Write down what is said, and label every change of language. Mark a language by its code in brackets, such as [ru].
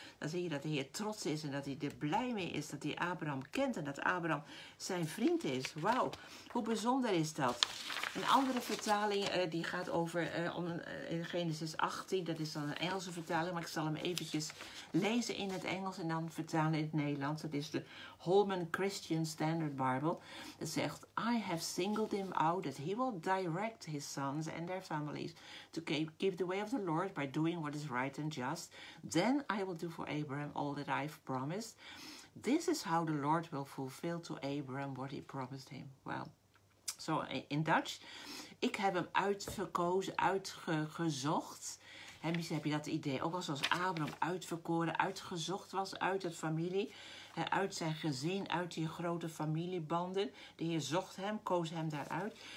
[nl] Dan zie je dat de Heer trots is en dat hij er blij mee is. Dat hij Abraham kent en dat Abraham zijn vriend is. Wauw, hoe bijzonder is dat? Een andere vertaling die gaat over in Genesis 18. Dat is dan een Engelse vertaling. Maar ik zal hem eventjes lezen in het Engels en dan vertalen in het Nederlands. Dat is de Holman Christian Standard Bible. Het zegt, [en] I have singled him out. That he will direct his sons and their families to keep the way of the Lord by doing what is right and just. Then I will do for Abraham all that I've promised. This is how the Lord will fulfill to Abraham what he promised him. Well, so in Dutch, [nl] ik heb hem uitverkozen, uitgezocht. En misschien heb je dat idee ook al, zoals Abraham uitverkoren, uitgezocht was uit het familie. Uit zijn gezin, uit die grote familiebanden. De Heer zocht hem, koos hem daaruit.